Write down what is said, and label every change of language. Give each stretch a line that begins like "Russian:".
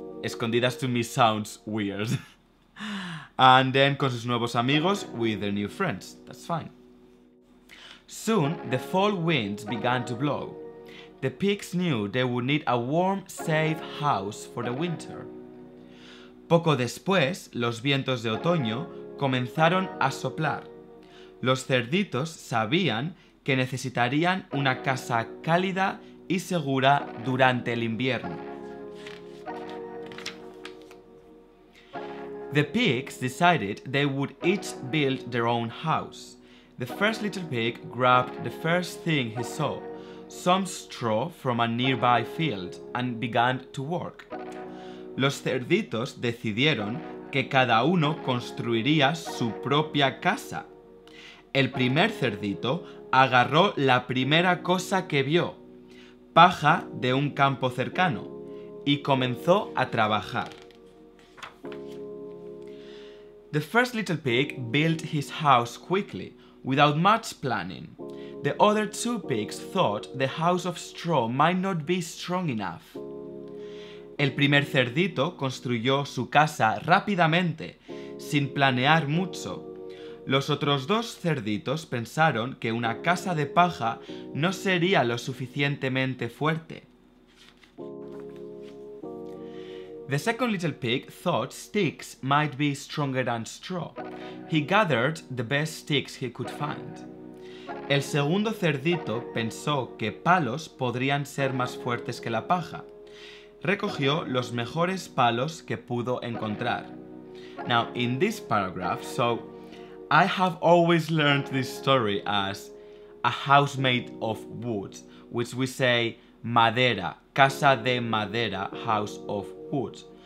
English: Escondidas to me sounds weird. And then
Spanish: con sus nuevos amigos,
English: with their new friends. That's fine. Soon, the fall winds began to blow. The pigs knew they would need a warm, safe house for the winter.
Spanish: Poco después, los vientos de otoño comenzaron a soplar. Los cerditos sabían que necesitarían una casa cálida y segura durante el invierno.
English: The pigs decided they would each build their own house. The first little pig grabbed the first thing he saw, some straw from a nearby field, and began to work.
Spanish: Los cerditos decidieron que cada uno construiría su propia casa. El primer cerdito agarró la primera cosa que vio, paja de un campo cercano, y comenzó a trabajar.
English: The first little pig built his house quickly, without much planning. The other two pigs thought the house of straw might not be strong enough.
Spanish: El primer cerdito construyó su casa rápidamente, sin planear mucho. Los otros dos cerditos pensaron que una casa de paja no sería lo suficientemente fuerte.
English: The second little pig thought sticks might be stronger than straw. He gathered the best sticks he could find.
Spanish: El segundo cerdito pensó que palos podrían ser más fuertes que la paja. Recogió los mejores palos que pudo encontrar.
English: Now, in this paragraph, so I have always learned this story as a house made of wood, which we say madera,
Spanish: casa de madera,
English: house of wood.